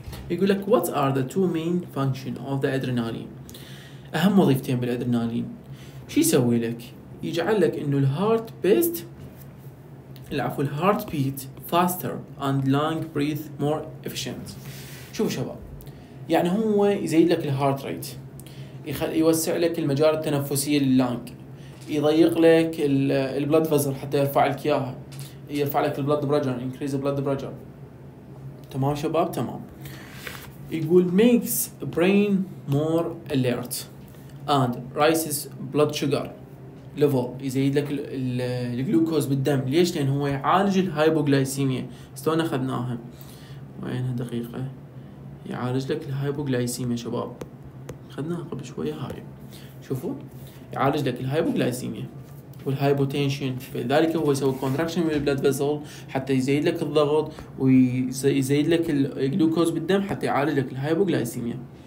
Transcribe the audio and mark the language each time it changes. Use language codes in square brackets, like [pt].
[ar] يقول لك [en] what are the two main function of the adrenaline، [ar] اهم وظيفتين بالادرينالين شو يسوي لك؟ يجعل لك انه الهارت بيست العفو الهارت بيت [en] faster and long breath more efficient. [ar] شوف شباب يعني هو يزيد لك الهارت ريت، يوسع لك المجاري التنفسيه لللانج، يضيق لك البلد فازل حتى يرفع لك اياها، يرفع لك البلد بريشر انكريز البلد بريشر. تمام شباب تمام. يقول [en] makes brain more alert and raises blood sugar level، [ar] يزيد لك الجلوكوز بالدم. ليش؟ لان هو يعالج الهايبوغلايسيميا، استونا اخذناها وينها دقيقه، يعالج لك الهايبوغلايسيميا شباب اخذناها قبل شويه، هاي شوفوا يعالج لك الهايبوغلايسيميا والهايبوتنشن، فذلك هو يسوي كونتراكشن من البلد فيزل حتى يزيد لك الضغط ويزيد لك الجلوكوز بالدم حتى يعالج لك الهايبوغلايسيميا.